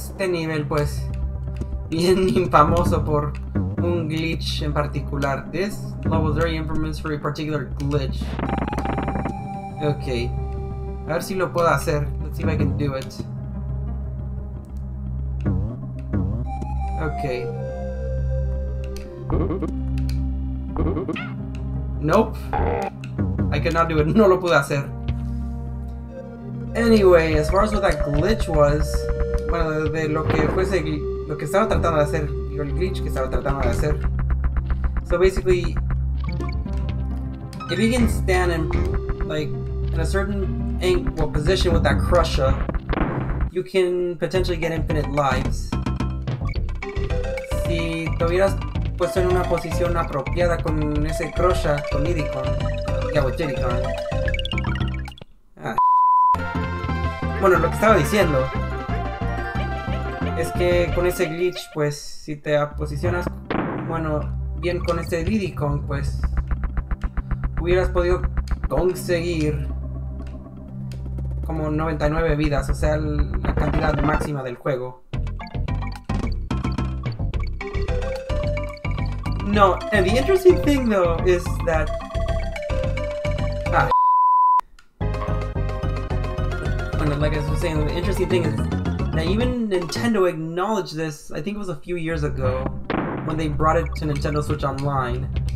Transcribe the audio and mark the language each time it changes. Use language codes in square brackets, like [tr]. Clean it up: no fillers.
[es] Nivel pues bien infamoso por un glitch en particular. [en] This level is very infamous for a particular glitch. [es] Okay, a ver si lo puedo hacer. [en] Let's see if I can do it. Okay. Nope. I cannot do it. [es] No lo pude hacer. [en] Anyway, as far as what that glitch was. [es] Bueno, de lo que fuese, lo que estaba tratando de hacer, digo, el glitch que estaba tratando de hacer. [en] So basically, if you can stand in, like, in a certain angle, well, position with that crusher, you can potentially get infinite lives. [es] Si te hubieras puesto en una posición apropiada con ese crusher, con Idicon, [en] yeah, with Idicon. [es] Bueno, lo que estaba diciendo. Es que con ese glitch, pues, si te posicionas, bueno, bien con este Didicon, pues, hubieras podido conseguir como 99 vidas, o sea, la cantidad máxima del juego. [en] No, and the interesting thing, though, is that... Bueno, like I was saying, the interesting thing is... Now even Nintendo acknowledged this, I think it was a few years ago, when they brought it to Nintendo Switch Online.